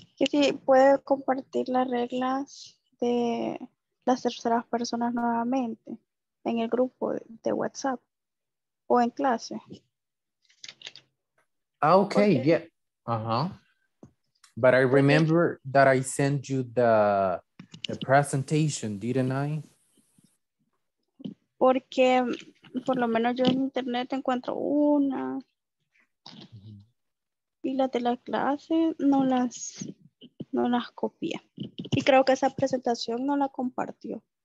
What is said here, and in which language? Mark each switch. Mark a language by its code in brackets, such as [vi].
[es] Si puede compartir las reglas de las terceras personas nuevamente en el grupo de WhatsApp o en clase. [en] Okay, yeah. But I remember that I sent you the presentation, didn't I? [es] Porque por lo menos yo en internet encuentro una. Y las de la clase no las copié. Y creo que esa presentación no la compartió.